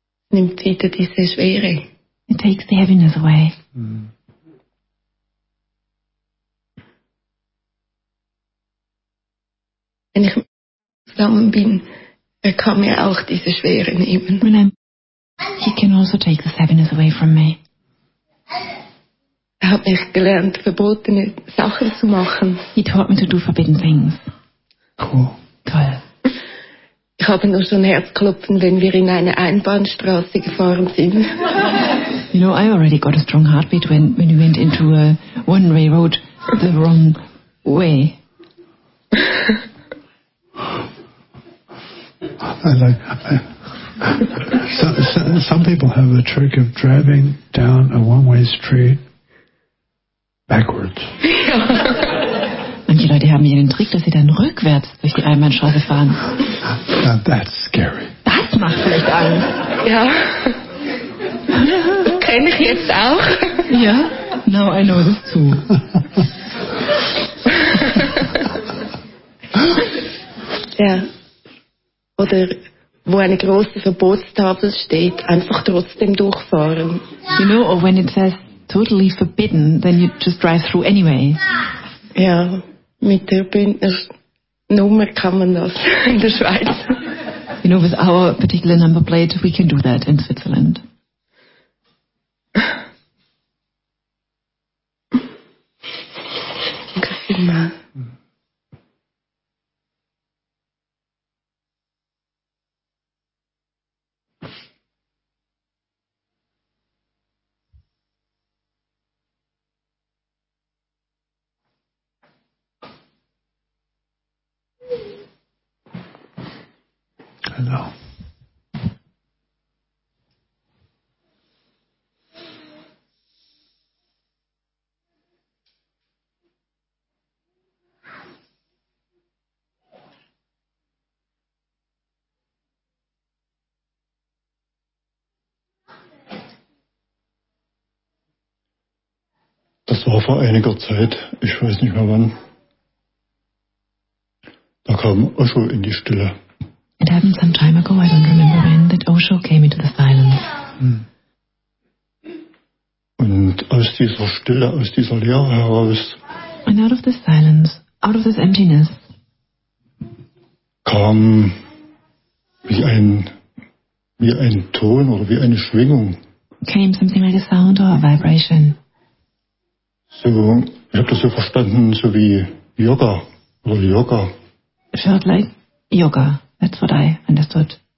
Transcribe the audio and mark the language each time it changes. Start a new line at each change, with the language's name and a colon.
German: Nimmt wieder diese Schwere.
English: It takes the heaviness away.
German: Wenn ich zusammen bin, er kann mir auch diese Schwere nehmen.
English: He can also take the heaviness away from me.
German: Er hat mich gelernt, verbotene Sachen zu machen.
English: He taught me to do forbidden things. Cool.
German: Toll. Ich habe nur schon Herzklopfen, wenn wir in eine Einbahnstraße gefahren sind.
English: You know, I already got a strong heartbeat when you went into a one-way road the wrong way. Some people have a trick of driving down a one-way street backwards.
German: Manche Leute haben ihren Trick, dass sie dann rückwärts durch die Einbahnstraße fahren.
English: Now that's scary.
German: Das macht vielleicht Angst. Ja. Kenne ich jetzt auch.
English: Ja. Now I know this too.
German: Ja. Oder wo eine große Verbotstafel steht, einfach trotzdem durchfahren.
English: You know, or when it says totally forbidden, then you just drive through anyway.
German: Ja, mit der Bündner Nummer kann man das in der Schweiz.
English: You know, with our particular number plate, we can do that in Switzerland. Hello.
German: Das war vor einiger Zeit, ich weiß nicht mehr wann. Da kam Osho in die Stille.
English: It happened some time ago, I don't remember when, that Osho came into the silence.
German: Und aus dieser Stille, aus dieser Leere heraus,
English: and out of this silence, out of this emptiness,
German: kam wie ein Ton oder wie eine Schwingung,
English: came something like a sound or a vibration.
German: So, ich habe das so verstanden, so wie Yoga oder Yoga.
English: It felt like Yoga. That's what I understood.